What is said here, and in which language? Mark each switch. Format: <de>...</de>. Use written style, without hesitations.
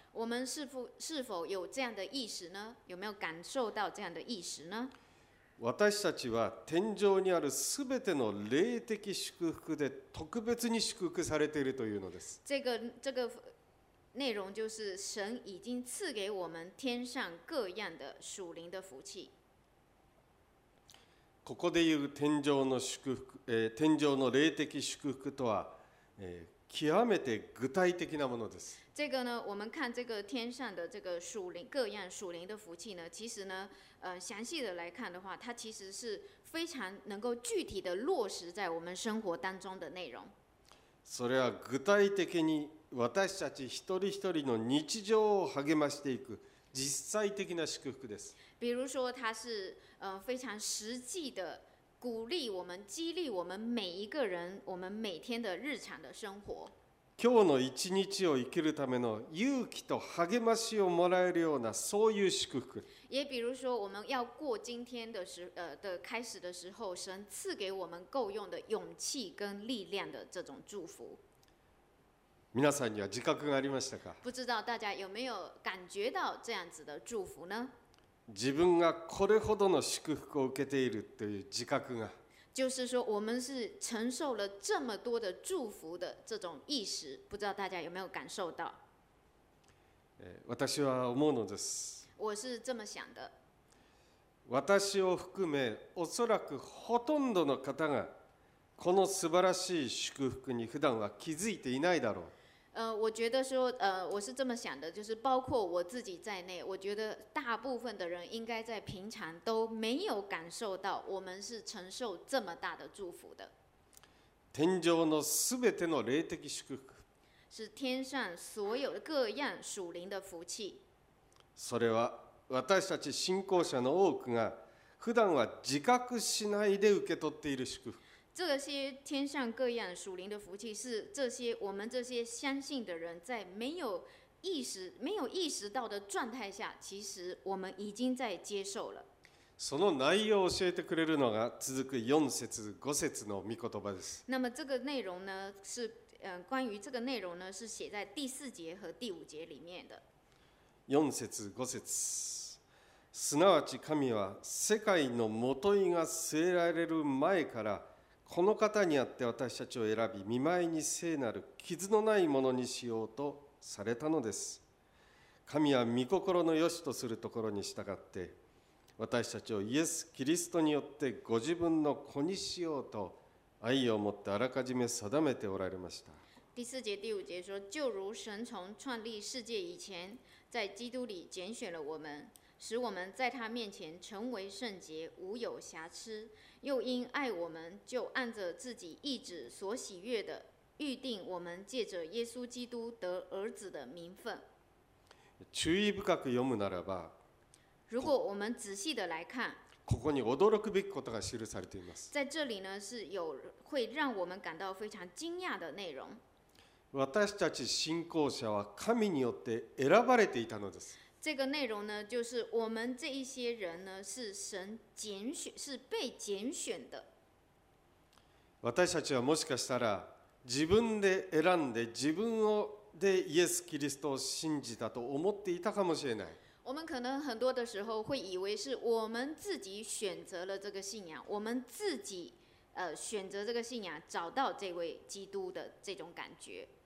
<zh>我们是否有这样的意识呢？有没有感受到这样的意识呢？</zh> <ja>私たちは天上にあるすべての霊的祝福で特別に祝福されているというのです。</ja> <zh>这个内容就是神已经赐给我们天上各样的属灵的福气。</zh> <ja>ここでいう天上の祝福、天上の霊的祝福とは、極めて具体的なものです。</ja> <zh>这个呢，我们看这个天上的这个属灵各样属灵的福气呢，其实呢，详细的来看的话，它其实是非常能够具体的落实在我们生活当中的内容。</zh> <ja>それは具体的に。私たち一人一人の日常を励ましていく実際的な祝福です。</ja> <zh>比如说，它是非常实际的鼓励我们、激励我们每一个人、我们每天的日常的生活。</zh> <ja>今日の一日を生きるための勇気と励ましをもらえるようなそういう祝福。</ja> <zh>也比如说，我们要过今天的时的开始的时候，神赐给我们够用的勇气跟力量的这种祝福。</zh> <ja>皆さんには自覚がありましたか？</ja> <zh>不知道大家有没有感觉到这样子的祝福呢？</zh> <ja>自分がこれほどの祝福を受けているという自覚が。</ja> <zh>就是说我们是承受了这么多的祝福的这种意识，不知道大家有没有感受到？</zh> <ja>私は思うのです。</ja> <zh>我是这么想的。</zh> <ja>私を含め、おそらくほとんどの方がこの素晴らしい祝福に普段は気づいていないだろう。</ja> <zh>我觉得说，我是这么想的，就是包括我自己在内，我觉得大部分的人应该在平常都没有感受到我们是承受这么大的祝福的。</zh> <ja>天上のすべての霊的祝福。</ja> <zh>是天上所有各样属灵的福气。</zh> <ja>それは私たち信仰者の多くが普段は自覚しないで受け取っている祝福。</ja> <zh>这些天上各样属灵的福气，是这些我们这些相信的人在没有意识没有意识到的状态下，其实我们已经在接受了。</zh> <ja>その内容を教えてくれるのが続く四節五節の御言葉です。</ja> <zh>那么这个内容呢是关于这个内容呢是写在第四节和第五节里面的。</zh> <ja>四節五節。すなわち神は世界のもといが据えられる前からこの方にあって私たちを選び見舞いに聖なる傷のないものにしようとされたのです。神は御心の良しとするところに従って私たちをイエス・キリストによってご自分の子にしようと愛を持ってあらかじめ定めておられました。</ja> <zh>第四节第五节说，就如神从创立世界以前在基督里拣选了我们，使我们在他面前成为圣洁，无有瑕疵，又因爱我们，就按着自己意志所喜悦的，预定我们借着耶稣基督得儿子的名分。</zh> <ja>注意深く読むならば、</ja> <zh>如果我们仔细的来看，</zh> <ja>ここに驚くべきことが記されています。</ja> <zh>在这里呢，是有会让我们感到非常惊讶的内容。</zh> <ja>私たち信仰者は神によって選ばれていたのです。</ja> <zh>这个内容呢，就是我们这一些人呢，是神拣选，是被拣选的。</zh> <ja>私たちはもしかしたら自分で選んで自分をでイエス・キリストを信じたと思っていたかもしれない。</ja> <zh>我们可能很多的时候会以为是我们自己选择了这个信仰，我们自己选择这个信仰，找到这位基督的这种感觉。</zh>